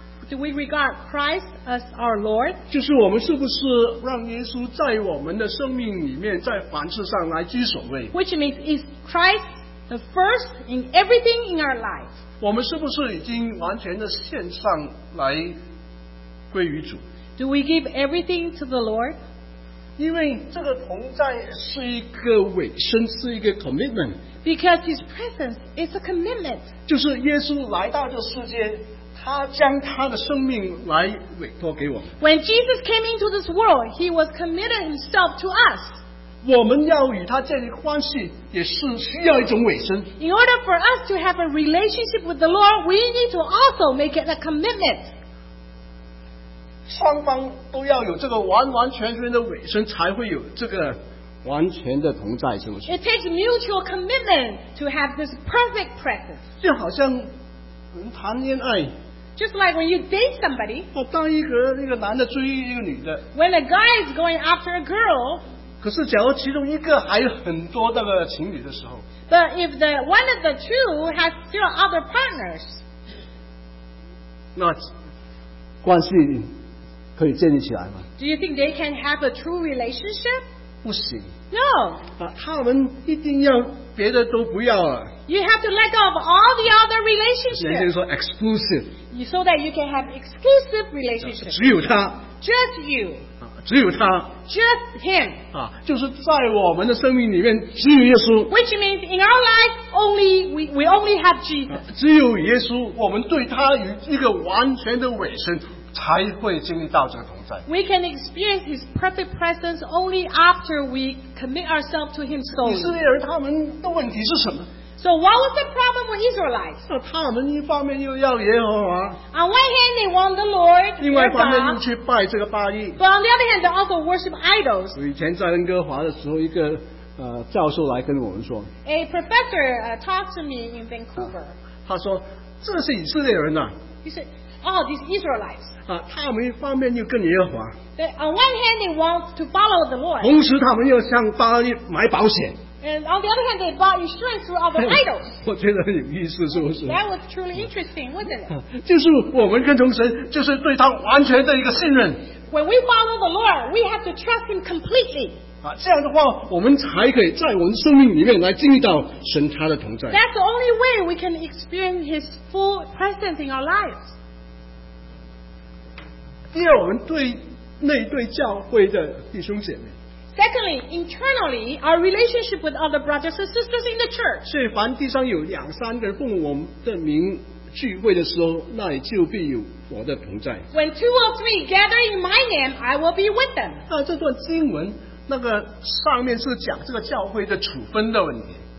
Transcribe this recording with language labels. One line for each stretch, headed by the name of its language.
English: Do we regard Christ as our Lord?
Chinese: 就是我们是不是让耶稣在我们的生命里面，在凡事上来居首位
English: ？Which means is Christ the first in everything in our life?
Chinese: 我们是不是已经完全的献上来归于主
English: ？Do we give everything to the Lord?
Chinese: 因为这个同在是一个委身，是一个 commitment。
English: Because his presence is a commitment。
Chinese: 就是耶稣来到这世间，他将他的生命来委托给我们。
English: When Jesus came into this world, he was committed himself to us。
Chinese: 我们要与他建立关系，也是需要一种委身。
English: In order for us to have a relationship with the Lord, we need to also make it a commitment。
Chinese: 双方都要有这个完完全全的委身，才会有这个完全的同在，是不是？
English: It takes mutual commitment to have this perfect presence。
Chinese: 就好像人谈恋爱
English: ，just like when you date somebody。
Chinese: 当一个男的追一个女的
English: ，when a guy is going after a girl。
Chinese: 可是，假如其中一个还有很多那个情侣的时候
English: ，but if the one of the two has still other partners，
Chinese: 那关系可以建立起来吗
English: ？Do you think they can have a true relationship？
Chinese: 不行。
English: No。
Chinese: 他们一定要别的都不要啊。
English: You have to let go of all the other relationships。
Chinese: 人家说 exclusive。
English: So that you can have exclusive relationship。
Chinese: 只有他。
English: Just you。
Chinese: 只有他。
English: Just him。
Chinese: 就是在我们的生命里面只有耶稣。
English: Which means in our life only we only have Jesus。
Chinese: 只有耶稣，我们对他有一个完全的委身。才会经历到这个同在。
English: We can experience His perfect presence only after we commit ourselves to Him solely.
Chinese: 以色列人他们的问题是什么
English: ？So what was the problem with Israelites？
Chinese: 他们一方面又要耶和华。
English: On one hand, they want the Lord.
Chinese: 另外一方面又去拜这个巴力。
English: But on the other hand, they also worship idols.
Chinese: 以前在温哥华的时候，一个教授来跟我们说。
English: A professor talked to me in Vancouver.
Chinese: 他说：“这是以色列人呐。”
English: He said. Oh, these Israelites.
Chinese: 他们一方面又跟耶和华。
English: They, on one hand, they want to follow the Lord.
Chinese: 同时，他们又向巴力买保险。
English: And on the other hand, they bought insurance through other idols.
Chinese: 我觉得很有意思，是不是
English: ？That was truly interesting, wasn't it?
Chinese: 就是我们跟从神，就是对他完全的一个信任。
English: When we follow the Lord, we have to trust Him completely.
Chinese: 这样的话，我们才可以在我们生命里面来经历到神他的同在。
English: That's the only way we can experience His full presence in our lives.
Chinese: 第二，我们对内对教会的弟兄姐妹。
English: Secondly, internally, our relationship with other brothers and sisters in the church.
Chinese: 所以，凡地上有两三个人奉我们的名聚会的时候，那里就必有我的同在。
English: When two or three gather in my name, I will be with them.
Chinese: 这段经文那个上面是讲这个教会的处分的问题。